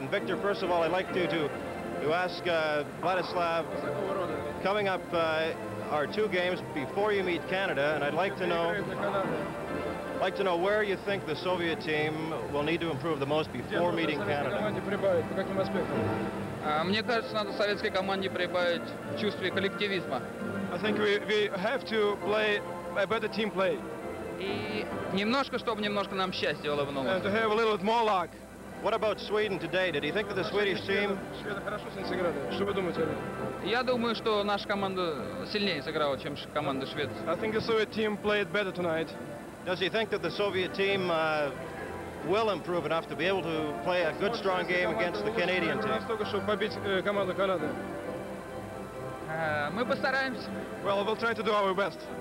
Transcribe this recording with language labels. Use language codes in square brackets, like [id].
[en] And Viktor, first of all, I'd like to ask Vladislav, coming up are two games before you meet Canada, and I'd like to know where you think the Soviet team will need to improve the most before meeting Canada. [ru] Мне кажется, надо советской команде прибавить чувство коллективизма. [en] I think we have to play a better team play. [ru] И немножко, чтобы немножко нам счастья улыбнулось. [en] And to have a little bit more luck. What about Sweden today? Did you think that the Swedish team... [ru] Что вы думаете? Я думаю, что наша команда сильнее сыграла, чем команда Швеции. [en] I think the Soviet team played better tonight. Does he think that the Soviet team will improve enough to be able to play a good, strong game against the Canadian team? [ru] Мы постараемся. [en] Well, we'll try to do our best.